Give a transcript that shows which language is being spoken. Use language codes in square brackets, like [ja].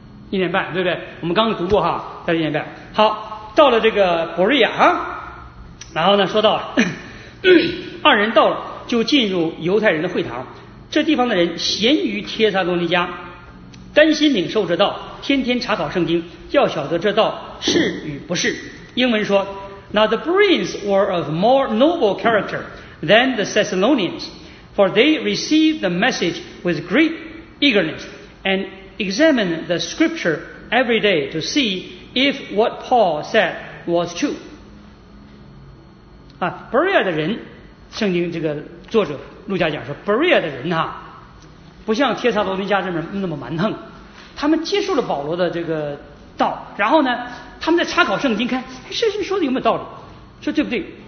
[zh] 一年半，对不对？我们刚刚读过哈，待了一年半。好，到了这个伯瑞亚啊，然后呢说到了，二人到了就进入犹太人的会堂，这地方的人咸于帖撒罗尼迦，甘心领受这道，天天查考圣经，要晓得这道是与不是。 [en] 英文说 Now the Bereans were of more noble character than the Thessalonians, for they received the message with great eagerness and examined the scripture every day to see if what Paul said was true。 [zh] 啊，伯瑞亚的人，圣经这个作者路加讲说，伯瑞亚的人哈、啊，不像帖撒罗尼迦这边那么蛮横，他们接受了保罗的这个道，然后呢，他们在查考圣经，看圣经说的有没有道理，说对不对？